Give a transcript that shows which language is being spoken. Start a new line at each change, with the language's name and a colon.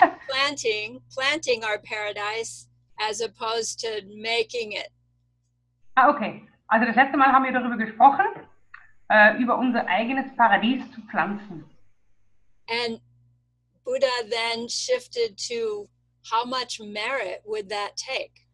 English: planting our paradise as opposed to making it. Ah, okay.
German: Also das letzte Mal haben wir darüber gesprochen, über unser eigenes Paradies zu pflanzen.
English: And Buddha then shifted to how much merit would that take?